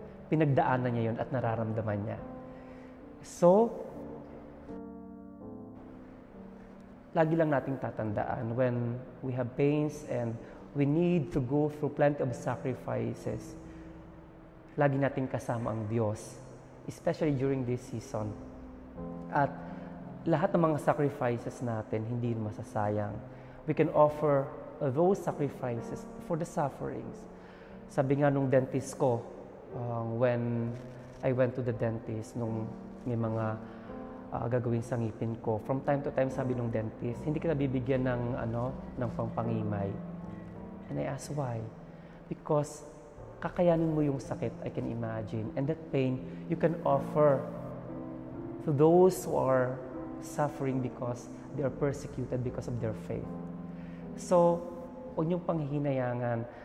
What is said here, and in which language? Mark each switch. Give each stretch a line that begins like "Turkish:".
Filipino: Pinagdaanan niya yun at nararamdaman niya.
English: So,
Filipino: lagi lang nating tatandaan,
English: when we have pains and we need to go through plenty of sacrifices,
Filipino: lagi nating kasama ang Diyos,
English: especially during this season.
Filipino: At lahat ng mga sacrifices natin, hindi masasayang.
English: We can offer those sacrifices for the sufferings.
Filipino: Sabi nga nung dentist ko,
English: when I went to the dentist,
Filipino: nung may mga gagawin sa ngipin ko, from time to time, sabi nung dentist, hindi kita bibigyan ng pangpangimay.
English: And I asked why. Because
Filipino: kakayanin mo yung sakit,
English: I can imagine. And that pain, you can offer to those who are suffering because they are persecuted because of their faith.
Filipino: So, huwag niyong panghihinayangan.